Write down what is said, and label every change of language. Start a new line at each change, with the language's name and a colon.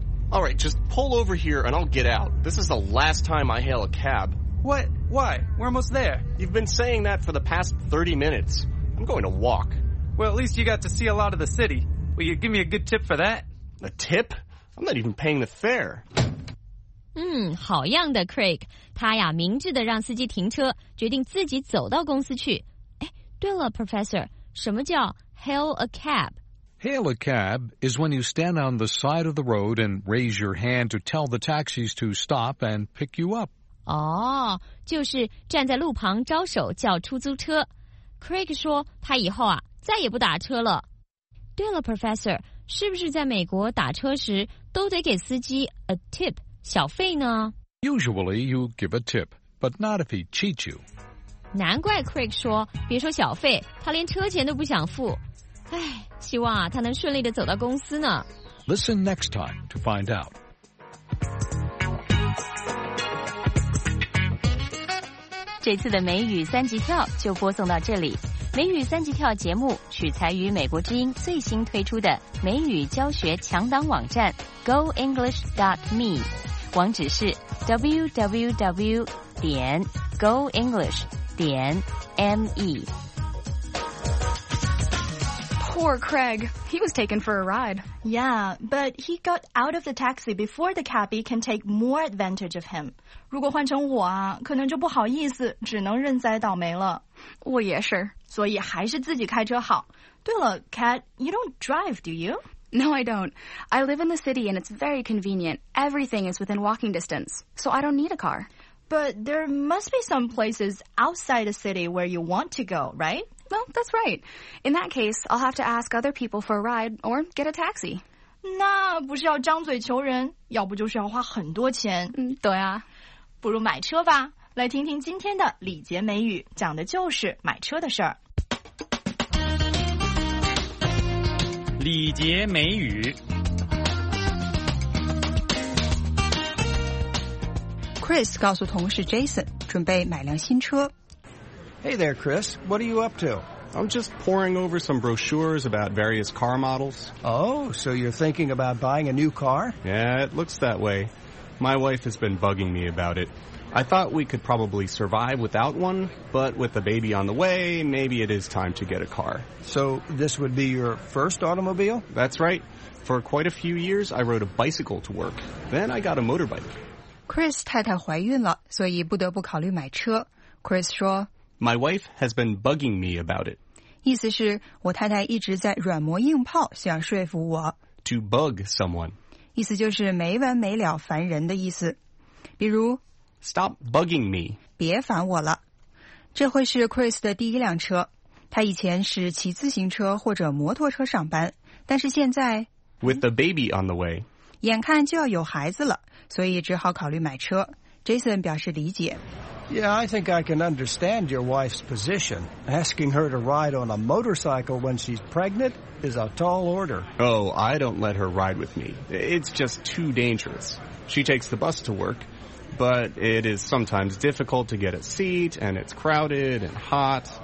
English: All right, just pull over here and I'll get out. This is the last time I hail a cab. What? Why? We're almost there. You've been saying that for the past 30 minutes. I'm going to walk. Well, at least you got to see a lot of the city. Will you give me a good tip for that? A tip? I'm not even paying the fare.
Chinese: 好样的 Craig, 他呀明智地让司机停车，决定自己走到公司去。哎，对了 Professor, 什么叫 hail a cab?
English: Hail a cab is when you stand on the side of the road and raise your hand to tell the taxis to stop and pick you up.
Chinese: 哦，就是站在路旁招手叫出租车。 Craig 说他以后啊再也不打车了。对了 Professor, 是不是在美国打车时都得给司机
English: a tip,
Chinese: 小费呢?
English: Usually you give a tip, but not if he cheats you.
Chinese: 难怪 Craig 说,别说小费,他连车钱都不想付。唉,希望啊,他能顺利地走到公司呢。
English: Listen next time to find out.
Chinese: 这次的美语三级跳就播送到这里。美语三级跳节目取材于美国之音最新推出的美语教学强档网站 goenglish.me， 网址是 www.goenglish.me。
English: Poor Craig. He was taken for a ride. Yeah, but he got out of the taxi before the cabbie can take more advantage of him.
Chinese: 如果换成我啊，可能就不好意思，只能认栽倒霉了。我也是。所以还是自己开车好。对了 Kat,
English: you don't drive, do you? No, I don't. I live in the city and it's very convenient. Everything is within walking distance, so I don't need a car. But there must be some places outside the city where you want to go, right? Well, that's right. In that case, I'll have to ask other people for a ride or get a taxi.
Chinese: 那不是要张嘴求人，要不就是要花很多钱。对啊，不如买车吧。来听听今天的礼节美语，讲的就是买车的事儿。礼节美语。 Chris 告诉同事 Jason， 准备买辆新车。
English: Hey there, Chris. What are you up to? I'm just poring over some brochures about various car models. Oh, so you're thinking about buying a new car? Yeah, it looks that way. My wife has been bugging me about it. I thought we could probably survive without one, but with a baby on the way, maybe it is time to get a car. So this would be your first automobile? That's right. For quite a few years, I rode a bicycle to work. Then I got a motorbike.
Chinese: Chris 太太怀孕了，所以不得不考虑买车。Chris 说
English: My wife has been bugging me about it.
Chinese: 意思是我太太一直在软磨硬泡想说服我。
English: To bug someone.
Chinese: 意思就是没完没了烦人的意思。比如
English: Stop bugging me.
Chinese: 别烦我了。这会是 Chris 的第一辆车。他以前是骑自行车或者摩托车上班。但是现在
English: With the baby on the way.
Chinese: 眼看就要有孩子了，所以只好考虑买车。 Jason 表示理解。
English: Yeah, I think I can understand your wife's position. Asking her to ride on a motorcycle when she's pregnant is a tall order. Oh, I don't let her ride with me. It's just too dangerous. She takes the bus to work, but it is sometimes difficult to get a seat, and it's crowded and hot.